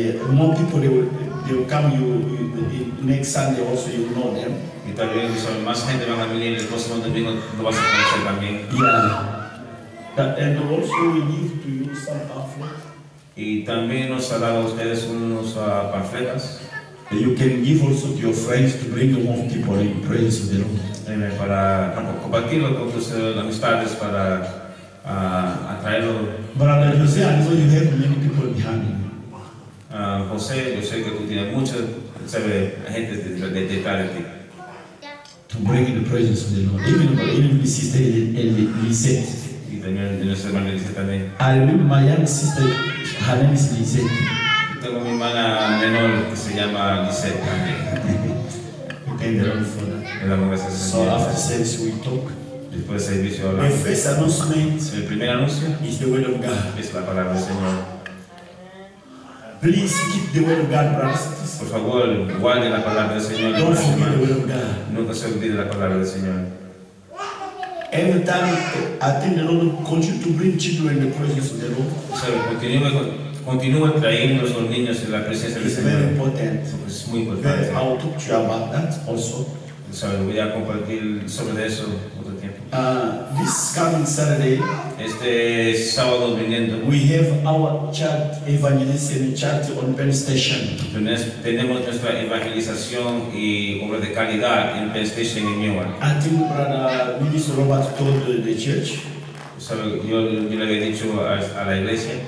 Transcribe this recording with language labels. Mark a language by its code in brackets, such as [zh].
[en] More people they will come you next Sunday also you know them. [es] Y también son más gente van a venir el próximo domingo lo vas a conocer también. [en] Yeah. And also we give to you some pamphlets. [es] Y también nos ha dado ustedes unos panfletas. [en] You can give also to your friends to bring more people in praise the Lord. [es] Amen. Para compartirlo con tus amistades para atraerlo. [en] Brother Jose, I know you have many people behind you. [es] José, yo sé que tú tienes mucha gente detrás de ti. [en] To bring in the presence of the Lord. Even my sister Lisette. [es] Y también de nuestra hermana Lisette también. [en] I remember my young sister, her name is Lisette. [es] Y tengo mi hermana menor que se llama Lisette también. [en] We thank the Lord for that. So after service we talk. [es] Después del servicio hablamos. [en] My first announcement. [es] Mi primer anuncio. [en] Is the word of God. [es] Es la palabra del Señor. [en] Please keep the word of God, brothers. [es] Por favor, guarde la palabra del Señor. [en] Don't forget the word of God. [es] Nunca se olvide la palabra del Señor. [en] Every time I think the Lord continue to bring children in the presence of the Lord. [es] Sabe, continúa trayendo los niños en la presencia del Señor. [en] It's very important. [es] Es muy importante. [en] I will talk to you about that also. [es] Sabe, voy a compartir sobre eso otro tiempo. [en] This coming Saturday. [es] Este sábado viniendo. [en] We have our chat evangelism chat on Penn Station. [es] Tenemos nuestra evangelización y obra de caridad en Penn Station en Newark. [en] I think brother Willis Robert told the church. [es] Sabe, yo le había dicho a la iglesia.